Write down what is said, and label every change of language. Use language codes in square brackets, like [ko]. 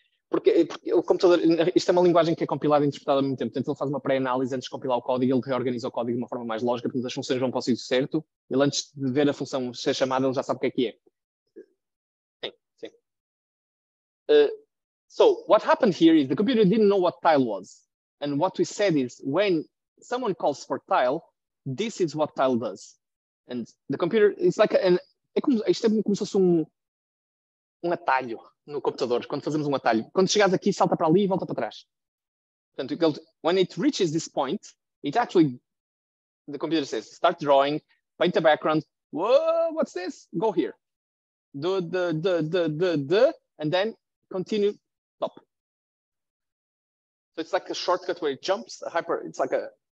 [pt] Porque o computador, isto é uma linguagem que é compilada e interpretada há muito tempo, portanto ele faz uma pré-análise antes de compilar o código, ele reorganiza o código de uma forma mais lógica, portanto as funções vão para o sítio certo, ele antes de ver a função ser chamada, ele já sabe o que é que é. Sim, sim. [en] So, what happened here is the computer didn't know what tile was. And what we said is, when someone calls for tile, this is what tile does. And the computer, it's like an, [pt] isto é como se fosse um atalho no computador, quando fazemos um atalho. Quando chegares aqui, salta para ali e volta para trás. [en] Portanto, when it reaches this point, it actually, the computer says, start drawing, paint the background. Whoa, what's this? Go here. Do the, and then continue, stop. So it's like a shortcut where it jumps, it's like a